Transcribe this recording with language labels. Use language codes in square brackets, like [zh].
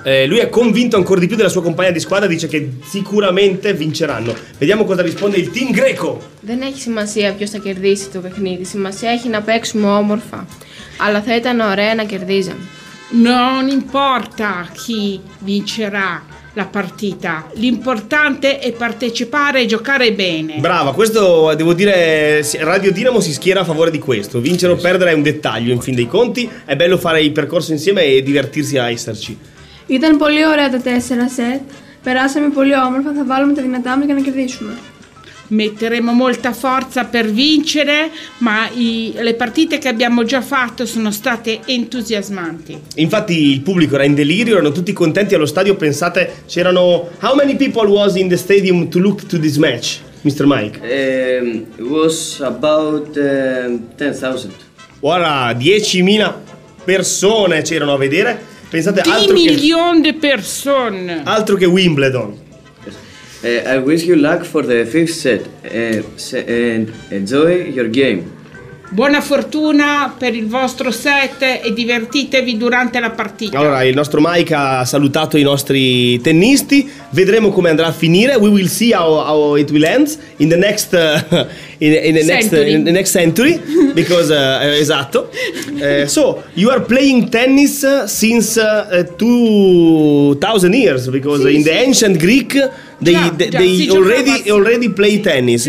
[it] Lui è convinto ancora di più della sua compagna di squadra, dice che sicuramente vinceranno. Vediamo cosa risponde il team greco. [el] Δεν έχει σημασία ποιος θα κερδίσει το παιχνίδι, σημασία έχει να παίξουμε όμορφα. Αλλά θα ήταν ωραία να κερδίζαμε. [it] Non importa chi vincerà la partita, l'importante è partecipare e giocare bene. Brava, questo devo dire, Radio Dinamo si schiera a favore di questo, vincere o perdere è un dettaglio in fin dei conti, è bello fare il percorso insieme e divertirsi a esserci. [el] Ήταν πολύ ωραία τα τέσσερα σετ, περάσαμε πολύ όμορφα, θα βάλουμε τα δυνατά μας για να κερδίσουμε. [it] Metteremo molta forza per vincere, ma le partite che abbiamo già fatto sono state entusiasmanti. Infatti il pubblico era in delirio, erano tutti contenti allo stadio. Pensate, c'erano... [en] How many people was in the stadium to look to this match, Mr. Mike? Was about 10,000. [it] Ora, 10,000 persone c'erano a vedere. Pensate, 10 milioni di persone. Altro che Wimbledon. [en] I wish you luck for the fifth set and enjoy your game. [it] Buona fortuna per il vostro set e divertitevi durante la partita. Allora, il nostro Mike ha salutato i nostri tennisti. Vedremo come andrà a finire. [en] We will see how it will end in the next century. [it] Because esatto. [en] So you are playing tennis since 2000 years because in the ancient Greek they already play tennis.